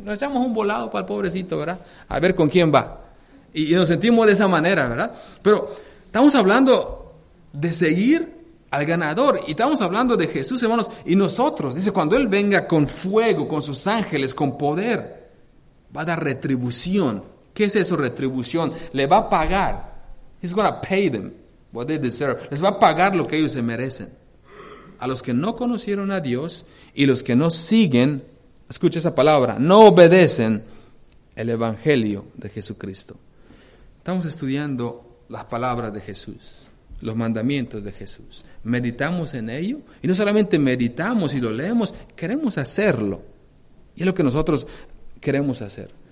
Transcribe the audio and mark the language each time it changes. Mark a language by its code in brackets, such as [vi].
[es] Nos echamos un volado para el pobrecito, ¿verdad? A ver con quién va. Y nos sentimos de esa manera, ¿verdad? Pero estamos hablando de seguir al ganador, y estamos hablando de Jesús, hermanos, y nosotros, dice, cuando Él venga con fuego, con sus ángeles, con poder, va a dar retribución. ¿Qué es eso, retribución? Le va a pagar. [en] He's going to pay them what they deserve. [es] Les va a pagar lo que ellos se merecen. A los que no conocieron a Dios y los que no siguen, escucha esa palabra, no obedecen el Evangelio de Jesucristo. Estamos estudiando las palabras de Jesús, los mandamientos de Jesús. Meditamos en ello, y no solamente meditamos y lo leemos, queremos hacerlo, y es lo que nosotros queremos hacer.